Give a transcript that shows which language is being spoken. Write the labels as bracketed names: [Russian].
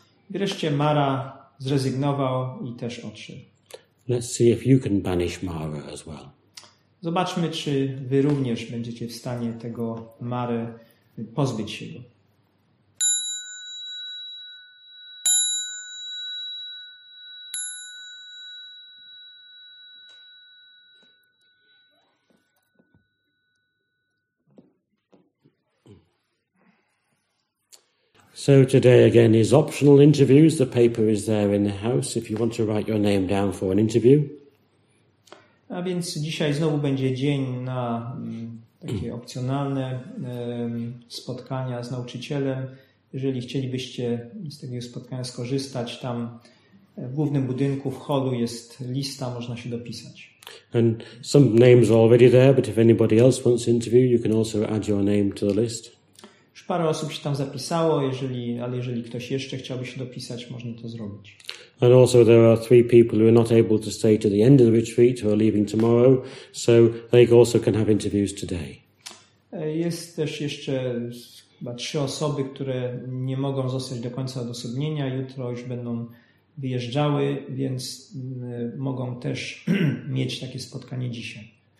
[Polish] Wreszcie Mara zrezygnował i też odszedł. [English] Let's see if you can banish Mara as well. [Polish] Zobaczmy, czy wy również będziecie w stanie tego Mary pozbyć się go. [English] So today again is optional interviews. The paper is there in the house if you want to write your name down for an interview. [Polish] A więc dzisiaj znowu będzie dzień na takie opcjonalne spotkania z nauczycielem. Jeżeli chcielibyście z tego spotkania skorzystać, tam w głównym budynku, w holu jest lista, można się dopisać. [English] And some names are already there, but if anybody else wants an interview, you can also add your name to the list. [Polish] Już parę osób się tam zapisało, jeżeli ktoś jeszcze chciałby się dopisać, można to zrobić. [English] And also there are three people who are not able to stay to the end of the retreat, who are leaving tomorrow, so they also can have interviews today. [Polish] Jest też jeszcze chyba 3 osoby, które nie mogą zostać do końca odosobnienia. Jutro już będą wyjeżdżały, więc mogą też mieć takie spotkanie dzisiaj.